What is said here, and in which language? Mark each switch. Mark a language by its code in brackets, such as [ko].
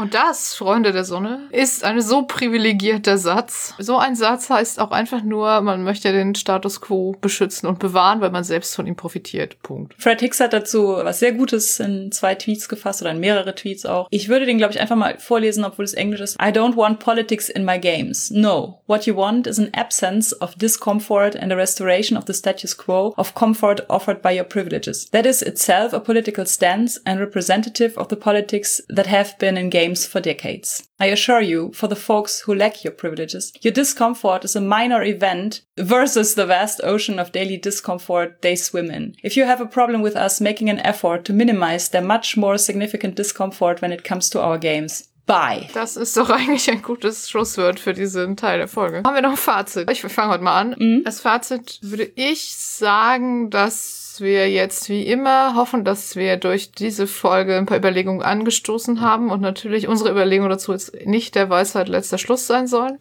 [de] Und das, Freunde der Sonne, ist ein so privilegierter Satz. So ein Satz heißt auch einfach nur, man möchte den Status quo beschützen und bewahren, weil man selbst von ihm profitiert. Punkt. Fred Hicks hat dazu was sehr Gutes in zwei Tweets gefasst oder in mehrere Tweets auch. Ich würde den, glaube ich, einfach mal vorlesen, obwohl es Englisch ist. [en] I don't want politics in my games. No. What you want is an absence of discomfort and a restoration of the status quo of comfort offered by your privileges. That is itself a political stance and representative of the politics that have been in games for decades. I assure you, for the folks who lack your privileges, your discomfort is a minor event versus the vast ocean of daily discomfort they swim in. If you have a problem with us making an effort to minimize their much more significant discomfort when it comes to our games, bye. [de] Das ist doch eigentlich ein gutes Schlusswort für diesen Teil der Folge. Haben wir noch ein Fazit? Ich fange heute mal an. Als Fazit würde ich sagen, dass wir jetzt wie immer hoffen, dass wir durch diese Folge ein paar Überlegungen angestoßen haben und natürlich unsere Überlegung dazu jetzt nicht der Weisheit letzter Schluss sein soll.